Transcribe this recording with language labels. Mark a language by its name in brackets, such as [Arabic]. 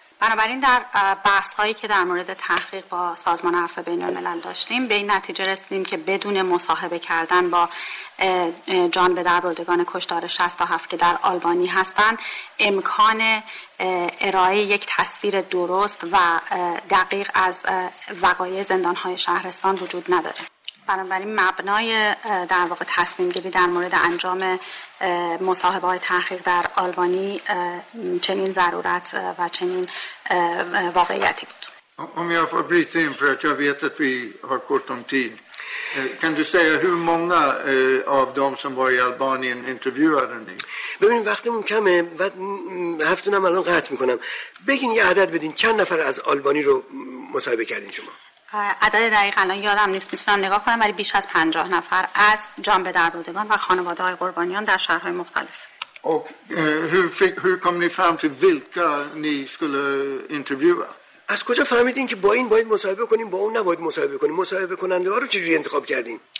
[Persian] بنابراین در بحث هایی که در مورد تحقیق با سازمان عفو بین الملل داشتیم به این نتیجه رسیدیم که بدون مصاحبه کردن با جان به در بردگان کشتار 67 که در آلبانی هستن امکان ارائه یک تصویر درست و دقیق از وقایع زندان های شهرستان وجود نداره. بنابراین مبنای در واقع تصمیم گیری در مورد انجام مصاحبه های تحقیق در آلبانی چنین ضرورت و چنین واقعیتی بود. [Swedish] Om jag får bryta in för att jag vet att vi har kort om tid. Kan du säga hur många av dem som var i Albanien intervjuade ni? [Persian] ببین وقتمون کمه و هفتونم الان قطع میکنم. بگین یه عدد بدین چند نفر از آلبانی رو مصاحبه کردین شما؟ عدد دقیق الان یادم نیست، میتونم نگاه کنم، ولی بیش از 50 نفر از جان به در بردگان و خانواده های قربانیان در شهرهای مختلف. [Swedish] Hur kom ni fram till vilka ni skulle intervjua؟ [Persian] از کجا فهمیدین که با این باید مصاحبه کنیم با اون نباید مصاحبه کنیم؟ مصاحبه کننده ها رو چجوری انتخاب کردین؟